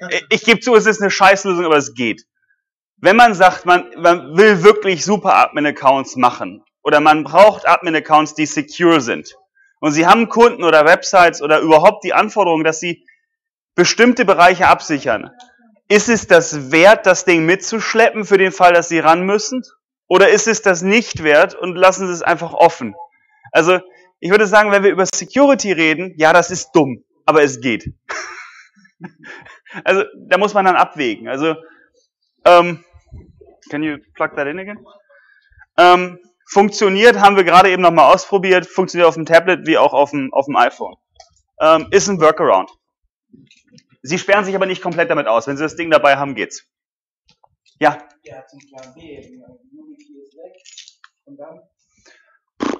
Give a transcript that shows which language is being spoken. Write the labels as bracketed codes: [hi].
[de] Ich gebe zu, es ist eine Scheißlösung, aber es geht. Wenn man sagt, man will wirklich Super-Admin-Accounts machen oder man braucht Admin-Accounts, die secure sind und Sie haben Kunden oder Websites oder überhaupt die Anforderung, dass Sie bestimmte Bereiche absichern, ist es das wert, das Ding mitzuschleppen für den Fall, dass Sie ran müssen? Oder ist es das nicht wert und lassen Sie es einfach offen? Also, ich würde sagen, wenn wir über Security reden, ja, das ist dumm, aber es geht. Also, da muss man dann abwägen. [en] Also, can you plug that in again? [de] Funktioniert, haben wir gerade eben nochmal ausprobiert, funktioniert auf dem Tablet wie auch auf dem iPhone. Ist ein Workaround. Sie sperren sich aber nicht komplett damit aus. Wenn Sie das Ding dabei haben, geht's. Ja? Ja, zum Plan B. Die Jugendliche ist weg. Und dann?